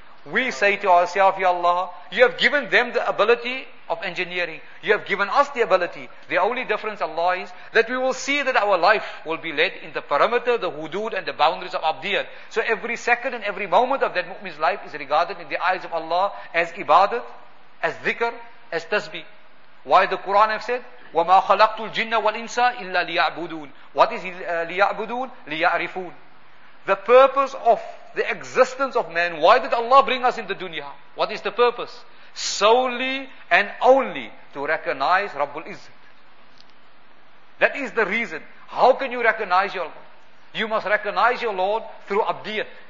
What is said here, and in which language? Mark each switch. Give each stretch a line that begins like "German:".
English: We say to ourselves, Ya Allah, you have given them the ability of engineering. You have given us the ability. The only difference, Allah, is that we will see that our life will be led in the perimeter, the hudud and the boundaries of abdiyat. So every second and every moment of that mu'min's life is regarded in the eyes of Allah as ibadat, as dhikr, as tasbih. Why the Quran have said,
Arabic: وَمَا خَلَقْتُ الْجِنَّ وَالْإِنسَ إِلَّا لِيَعْبُدُونَ.
English: What is لِيَعْبُدُونَ?
Arabic: لِيَعْرِفُونَ.
English: The purpose of the existence of man, why did Allah bring us in the dunya? What is the purpose? Solely and only to recognize Rabbul Izzat. That is the reason. How can you recognize your Lord? You must recognize your Lord through abdiyat.